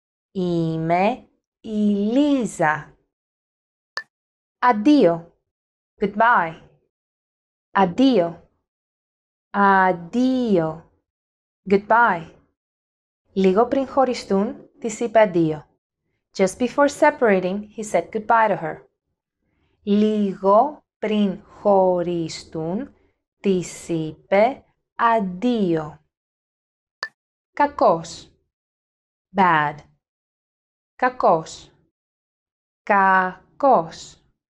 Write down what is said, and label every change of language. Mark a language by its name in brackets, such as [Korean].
[Greek] Είμαι η Λίζα. Αντίο. [English] Goodbye. [Greek] Αντίο. Αντίο. [English] Goodbye. [Greek] Λίγο πριν χωριστούν, της είπε αντίο. [English] Just before separating, he said goodbye to her. [Greek] Λίγο πριν χωριστούν, της είπε αντίο. Κακός. [English] Bad. [Greek] Κακός. Κακός.